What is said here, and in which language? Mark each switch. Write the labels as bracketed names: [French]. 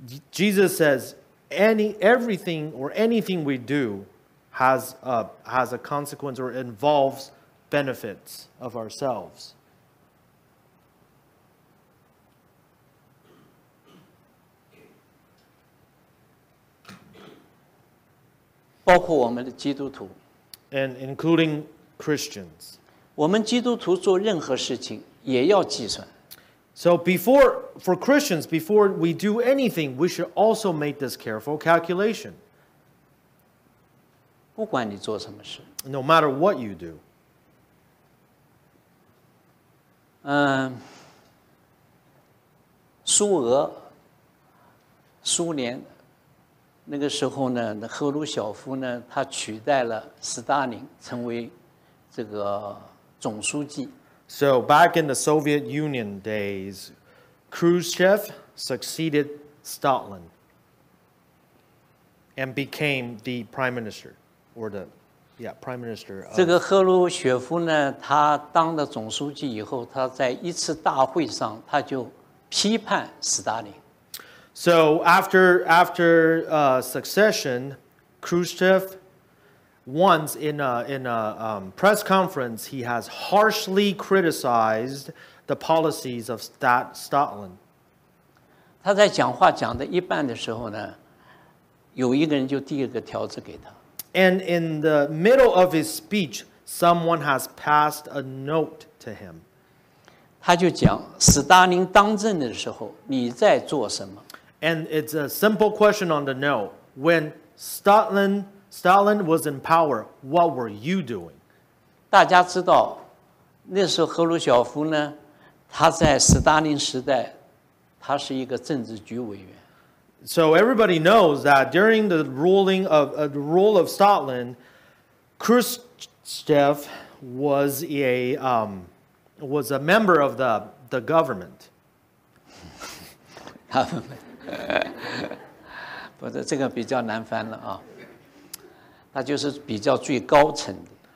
[English] Jesus says, everything or anything we do has a consequence or involves benefits of ourselves. [Chinese] 包括我们的基督徒。 [English] And including Christians. [Chinese] 我们基督徒做任何事情也要计算。 [English] So before, for Christians, before we do anything, we should also make this careful calculation. [Chinese] 不管你做什么事。 [English] No matter what you do. [Chinese] 苏俄，苏联，那个时候呢，那赫鲁晓夫呢，他取代了斯大林成为这个总书记。 [English] So back in the Soviet Union days, Khrushchev succeeded Stalin and became the prime minister, prime minister. [Chinese] 这个赫鲁雪夫呢，他当了总书记以后，他在一次大会上他就批判斯大林。 [English] So after succession, Khrushchev. Once in a press conference, he has harshly criticized the policies of Stalin. [Chinese] 他在讲话讲的一半的时候呢，有一个人就递了个条子给他。 [English] And in the middle of his speech, someone has passed a note to him. [Chinese] 他就讲，斯大林当政的时候，你在做什么？ [English] And it's a simple question on the note. When Stalin was in power, what were you doing? [Chinese] 大家知道，那时候赫鲁晓夫呢，他在斯大林时代，他是一个政治局委员。 [English] So everybody knows that during the ruling of the rule of Stalin, Khrushchev was a member of the government. [Chinese] 不是这个比较难翻了啊，那就是比较最高层的。